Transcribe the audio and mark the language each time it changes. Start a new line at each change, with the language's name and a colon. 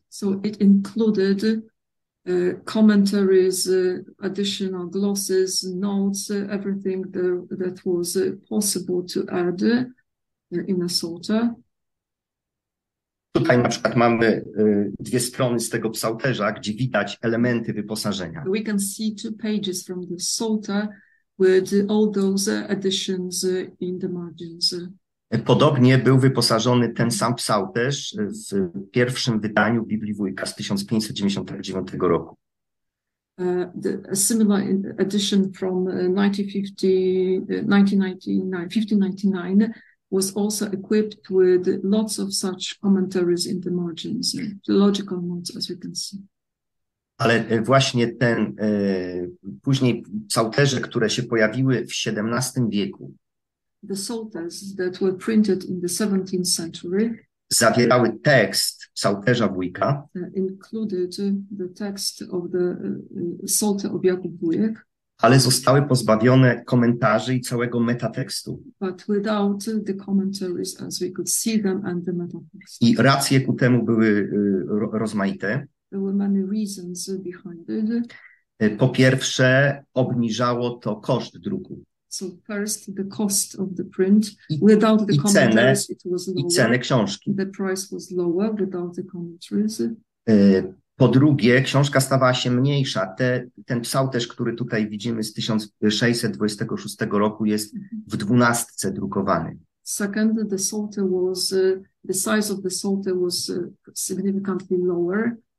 English: So it included commentaries, additional glosses, notes, everything that was possible to add in a psalter.
Polish: Tutaj na przykład mamy dwie strony z tego psalterza, gdzie widać elementy wyposażenia.
English: We can see two pages from the psalter with all those additions in the margins.
Polish: Podobnie był wyposażony ten sam psalterz w pierwszym wydaniu Biblii Wujka z 1599 roku.
English: A similar edition from 1599 was also equipped with lots of such commentaries in the margins, theological notes, as we can see.
Polish: Ale właśnie ten później psalterze, które się pojawiły w XVII wieku,
English: the psalters that were printed in the 17th century,
Polish: zawierały tekst psalterza Wujka,
English: included the text of the psalter of Jakub Wujek,
Polish: ale zostały pozbawione komentarzy i całego metatekstu.
English: But without the commentaries, as we could see them, and the metatext.
Polish: I racje ku temu były rozmaite.
English: There were many reasons behind it.
Polish: Po pierwsze, obniżało to koszt druku.
English: So first, the cost of the print. Without the commentaries, it was lower.
Polish: I cenę książki.
English: The price was lower without the commentaries.
Polish: Po drugie, książka stawała się mniejsza. Ten psalterz, który tutaj widzimy z 1626 roku, jest w dwunastce drukowany.
English: Second, the psalter was, the size of the psalter was significantly lower.